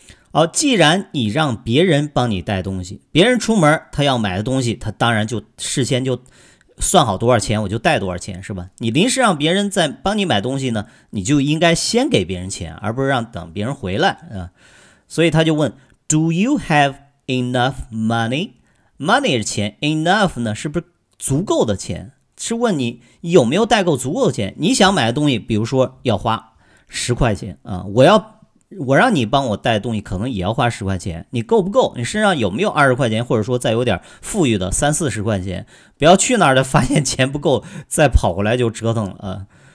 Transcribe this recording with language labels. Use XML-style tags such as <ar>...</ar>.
<zh>好，既然你让别人帮你带东西，别人出门他要买的东西，他当然就事先就算好多少钱，我就带多少钱，是吧？你临时让别人再帮你买东西呢，你就应该先给别人钱，而不是让等别人回来啊。所以他就问 ，</zh> <en>Do you have？ Enough money，</en> <zh>money 是钱， enough 呢是不是足够的钱，是问你有没有带够足够的钱，你想买的东西比如说要花十块钱啊，我让你帮我带东西可能也要花十块钱，你够不够，你身上有没有二十块钱，或者说再有点富裕的三四十块钱，不要去哪儿的发现钱不够再跑回来就折腾了啊。</zh>